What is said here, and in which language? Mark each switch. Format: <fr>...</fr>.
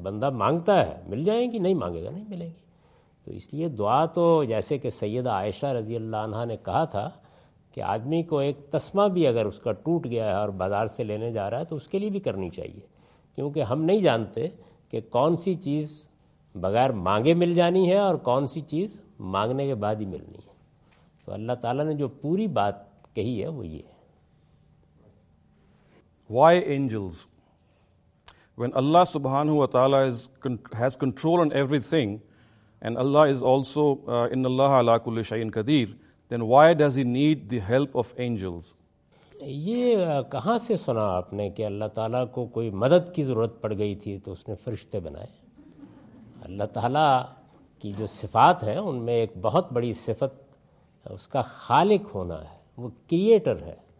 <ur>بندہ مانگتا ہے مل جائیں گی, نہیں مانگے گا نہیں ملیں گی. تو اس لیے دعا تو جیسے کہ سیدہ عائشہ رضی اللہ عنہا نے کہا تھا کہ آدمی کو ایک تسمہ بھی اگر اس کا ٹوٹ گیا ہے اور بازار سے لینے جا رہا ہے تو اس کے لیے بھی کرنی چاہیے, کیونکہ ہم نہیں جانتے کہ کون سی چیز بغیر مانگے مل جانی ہے اور کون سی چیز مانگنے کے بعد ہی ملنی ہے. تو اللہ تعالیٰ نے جو پوری بات کہی ہے وہ یہ.</ur> <en>Why angels? When Allah subhanahu wa ta'ala has control on everything and Allah is also</en> <ar>inna Allah ala kulli shay'in qadir,</ar> <en>then why does he need the help of angels?</en> <ur>یہ کہاں سے سنا آپ نے کہ اللہ تعالیٰ کو کوئی مدد کی ضرورت پڑ گئی تھی تو اس نے فرشتے بنائے؟ اللہ تعالیٰ کی جو صفات ہیں ان میں ایک بہت بڑی صفت اس کا خالق ہونا ہے, وہ کریٹر ہے.</ur>